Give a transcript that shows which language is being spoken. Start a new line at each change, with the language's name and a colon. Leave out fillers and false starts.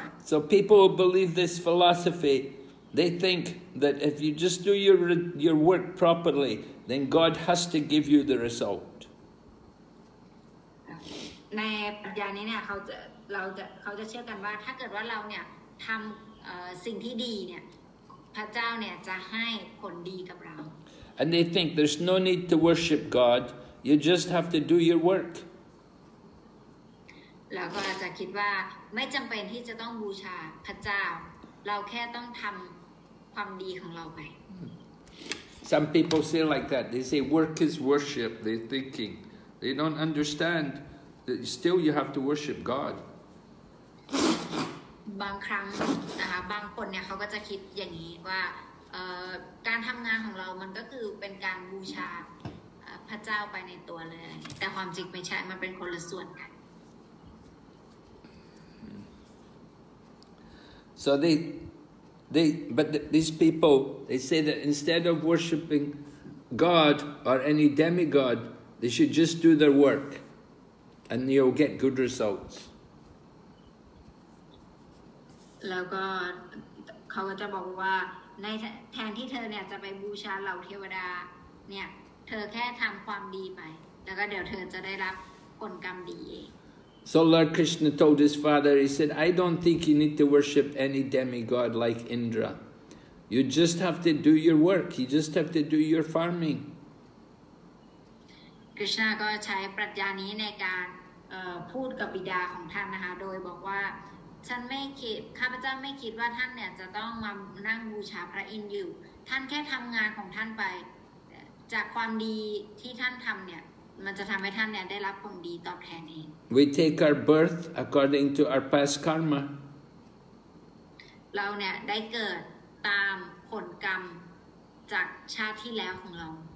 English: So people believe this philosophy. They think that if you just do your work properly, then God has to give you the result.
Thai: ในปรัชญานี้เนี่ยเขาจะเชื่อกันว่าถ้าเกิดว่าเราเนี่ยทำสิ่งที่ดีเนี่ยพระเจ้าเนี่ยจะให้ผลดีกับเรา
English: And they think there's no need to worship God. You just have to do your work.
Thai: เราก็อาจจะคิดว่าไม่จำเป็นที่จะต้องบูชาพระเจ้าเราแค่ต้องทำความดีของเราไป
English: Some people say like that. They say work is worship. They're thinking. They don't understand that still you have to worship God.
Thai: บางครั้งนะคะบางคนเนี่ยเขาก็จะคิดอย่างนี้ว่าการทำงานของเรามันก็คือเป็นการบูชาพระเจ้าไปในตัวเลยแต่ความจริงไม่ใช่มันเป็นคนละส่วนกัน
English: So these people, they say that instead of worshipping God or any demigod, they should just do their work and you'll get good results.
Thai: แล้วก็เขาก็จะบอกว่าในแทนที่เธอเนี่ยจะไปบูชาเหล่าเทวดาเนี่ยเธอแค่ทำความดีไปแล้วก็เดี๋ยวเธอจะได้รับผลกรรมดีเอง
English: So Lord Krishna told his father, he said, I don't think you need to worship any demigod like Indra. You just have to do your work. You just have to do your farming.
Thai: Krishna ก็ใช้ปรัชญานี้ในการพูดกับบิดาของท่านนะคะโดยบอกว่าฉันไม่คิดข้าพเจ้าไม่คิดว่าท่านเนี่ยจะต้องมานั่งบูชาพระอินทร์อยู่ท่านแค่ทำงานของท่านไปจากความดีที่ท่านทำเนี่ยมันจะทำให้ท่านเนี่ยได้รับผลดีตอบแทนเอง
English: We take our birth according to our past karma.
Thai: เราเนี่ยได้เกิดตามผลกรรมจากชาติที่แล้วของเรา